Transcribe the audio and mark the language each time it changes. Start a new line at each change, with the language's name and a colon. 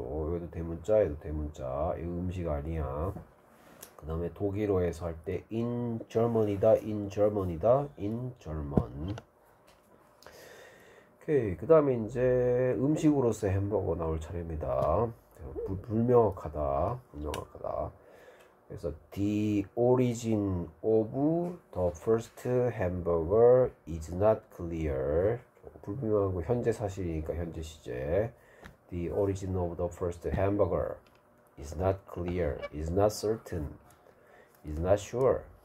Korean: 여기도 대문자, 여기도 대문자. 이 음식 아니야. 그 다음에 독일어에서 할때 in Germany다, in Germany다, in German. 오케이. 그 다음에 이제 음식으로서 햄버거 나올 차례입니다. 불명확하다.
English: 그래서 the origin of the first hamburger is not clear.
Korean: 불분명하고 현재 사실이니까 현재 시제.
English: The origin of the first hamburger is not clear, is not certain, is not sure.